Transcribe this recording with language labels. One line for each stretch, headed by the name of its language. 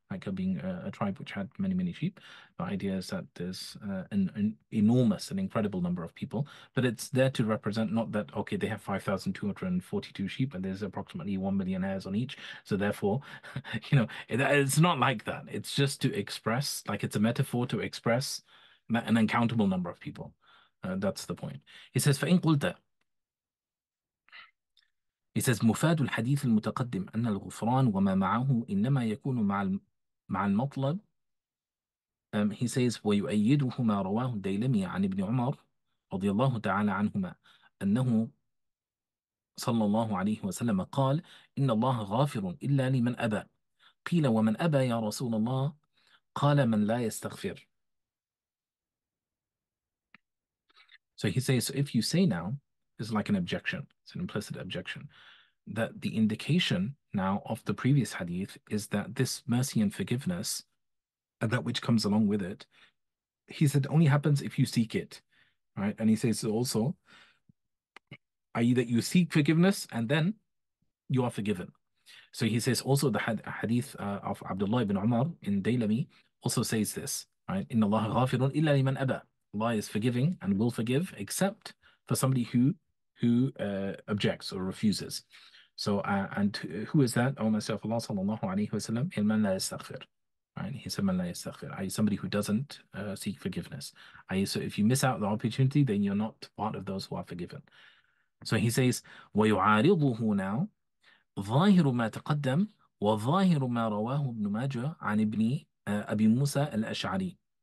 English: Like being a tribe which had many, many sheep. The idea is that there's an enormous, an incredible number of people, but it's there to represent not that, okay, they have 5,242 sheep and there's approximately 1 million hairs on each. So therefore, it's not like that. It's just to express, like it's a metaphor to express an uncountable number of people. That's the point. He says,
Arabic: فَإِنْ قُلْتَ He says, مُفَادُ الْحَدِيثِ الْمُتَقَدِّمِ أَنَّ الْغُفْرَانُ وَمَا مَعَهُ إِنَّمَا يَكُونُ مَعَ الْمُ مع المطلب
English: he says
Arabic: ويؤيده ما رواه الديلمي عن ابن عمر رضي الله تعالى عنهما أنه صلى الله عليه وسلم قال إن الله غافر إلا لمن أبى قيل ومن أبى يا رسول الله قال من لا يستغفر.
English: So he says, so if you say now, it's like an objection, it's an implicit objection, that the indication now of the previous hadith is that this mercy and forgiveness and that which comes along with it, he said, only happens if you seek it, right? And he says also, i.e. that you seek forgiveness and then you are forgiven. So he says also the hadith of Abdullah ibn Umar in Daylami also says this, right?
Arabic: Inna Allah ghafirun illa liman aba.
English: Allah is forgiving and will forgive except for somebody who objects or refuses. So, and who is that? Oh, myself, Allah sallallahu alayhi wa sallam, il man la yastaghfir. He said,
Arabic: man la yastaghfir,
English: i.e. somebody who doesn't seek forgiveness. I, so if you miss out the opportunity, then you're not part of those who are forgiven. So he says,
Arabic: وَيُعَارِضُهُ
English: now,
Arabic: ظَاهِرُ مَا تَقَدَّمْ وَظَاهِرُ مَا رَوَاهُ ابْنُ مَاجَ عَنِ ابْنِ أَبِي مُوسَى الْأَشْعَرِي.